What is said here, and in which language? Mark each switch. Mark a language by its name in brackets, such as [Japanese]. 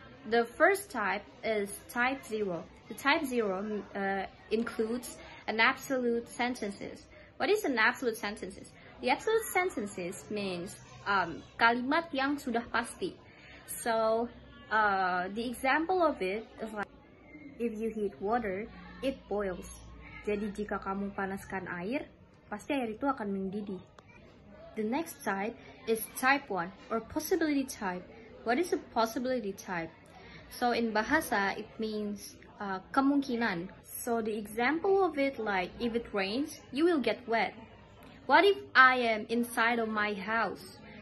[English] The first type is type 0. The type 0 includes an absolute sentences. What is an absolute sentences? The absolute sentences means [Indonesian] kalimat yang sudah pasti. [English] So the example of it is like, if you heat water, it boils. [Indonesian] Jadi jika kamu panaskan air, pasti air itu akan mendidih. [English] The next type is type 1 or possibility type. What is a possibility type? So in Bahasa, it means kemungkinan. So the example of it like, if it rains, you will get wet. What if I am inside of my house?